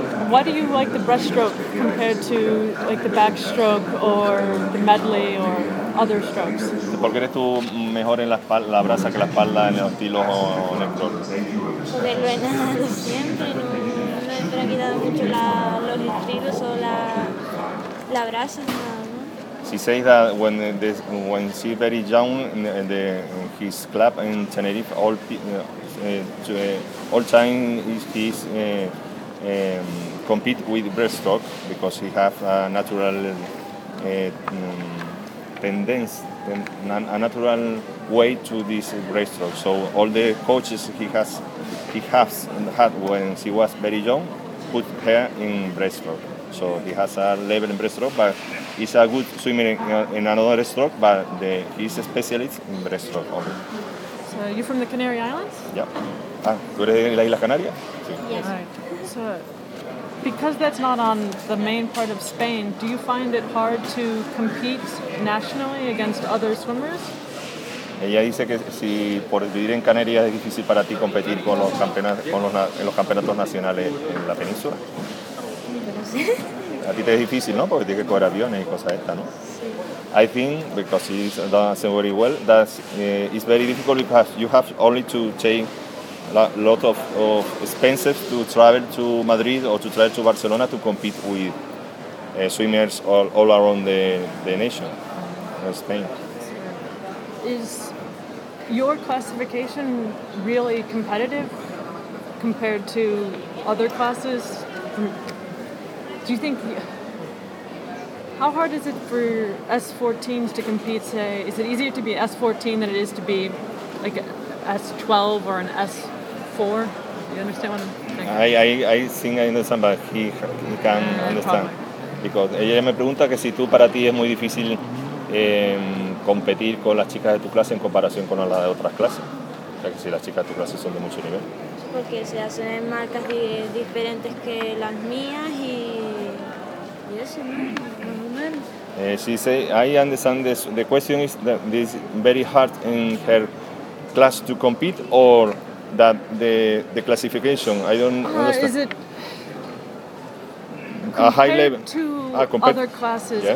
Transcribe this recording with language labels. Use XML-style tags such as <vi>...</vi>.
<en>Why do you like the breaststroke compared to like the backstroke or the medley or other strokes?</en> <es>¿Por qué eres tú mejor en la espalda, la braza que la espalda en los estilos o en el crawl? Porque lo he ganado siempre, no, no he practicado mucho la, los estilos o la la braza.</es> <en>She says that when this, when she very young, the his club in Tenerife, all time he's compete with breaststroke because he have a natural a natural way to this breaststroke. So all the coaches he has had when she was very young put her in breaststroke. So he has a level in breaststroke, but he's a good swimmer in another stroke, but the, he's a specialist in breaststroke. So you're from the Canary Islands? Yeah.</en> <es>Ah, ¿tú eres de la Isla Canaria? Sí.</es> <en>Yes. All right. So because that's not on the main part of Spain, do you find it hard to compete nationally against other swimmers?</en> <es>Ella dice que si por vivir en Canarias es difícil para ti competir con los campeonatos, con los, en los campeonatos nacionales en la península. A ti te es difícil, ¿no? Porque tienes que coger aviones y cosas estas, ¿no? Sí.</es> <en>I think because it doesn't very well. That it's very difficult because you have only to take a lot of expenses to travel to Madrid or to travel to Barcelona to compete with swimmers all around the nation, Spain. Is your classification really competitive compared to other classes? Do you think, how hard is it for S14s to compete, say, is it easier to be S14 than it is to be like S12 or an S4? You understand what I'm saying? I think I understand, but he can understand. Probably.</en> <es>Because ella me pregunta que si tú para ti es muy difícil competir con las chicas de tu clase en comparación con las de otras clases. O sea, que si las chicas de tu clase son de mucho nivel. Porque se hacen marcas diferentes que las mías y...</es> <en>Yes, she say, I understand this. The question is that this very hard in her class to compete, or that the classification. I don't understand. Is it a high level to other classes? Yeah.</en>